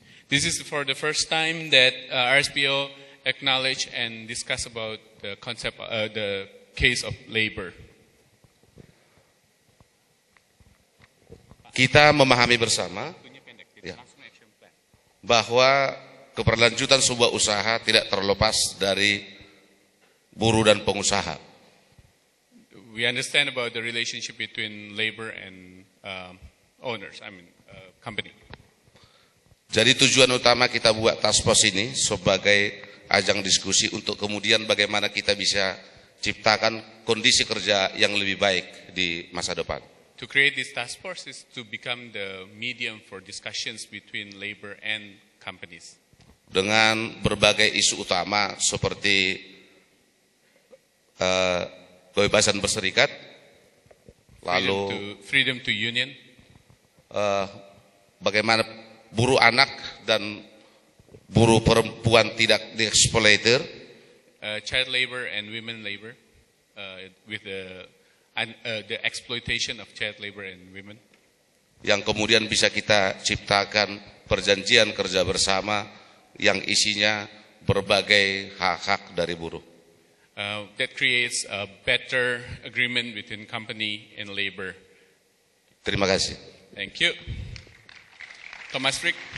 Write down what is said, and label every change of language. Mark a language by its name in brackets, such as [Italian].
[English] This is for the first time that RSPO acknowledge and discuss about the concept, the case of labor. [Indonesian] Kita memahami bersama ya, bahwa keberlanjutan sebuah usaha tidak terlepas dari buruh dan pengusaha. [English] We understand about the relationship between labor and owners, I mean company. [Indonesian] Jadi tujuan utama kita buat task force ini sebagai ajang diskusi untuk kemudian bagaimana kita bisa ciptakan kondisi kerja yang lebih baik di masa depan. [English] To create this task force is to become the medium for discussions between labor and companies. [Indonesian] Dengan berbagai isu utama seperti kebebasan berserikat, lalu [English] freedom to union, [Indonesian] bagaimana buruh anak dan buruh perempuan tidak dieksploiter, [English] child labor and women labor, with the exploitation of child labor and women, [Indonesian] yang kemudian bisa kita ciptakan perjanjian kerja bersama yang isinya berbagai hak-hak dari buruh. [English] That creates a better agreement between company and labor. [Indonesian] Terima kasih. [English] Thank you. Thomas Frick.